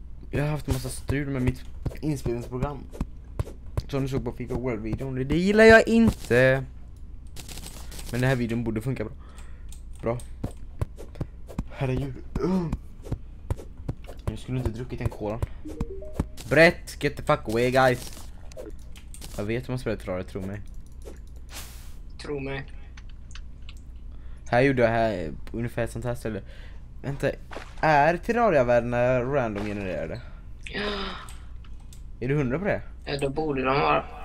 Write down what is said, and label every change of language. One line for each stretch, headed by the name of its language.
Swedish: Jag har haft en massa strul med mitt inspelningsprogram. Som du såg på FIFA World-videon. Det gillar jag inte. Men den här videon borde funka bra. Bra. Herregud. Jag skulle inte druckit en cola.
English: Brett, get the fuck away guys.
Swedish: Jag vet hur man spelar trådare, tro mig. Tro mig. Här gjorde jag här, ungefär ett sånt här ställe. Vänta, är terrariavärdena random genererade? Ja. Är du hundra på det? Ja, då borde de vara.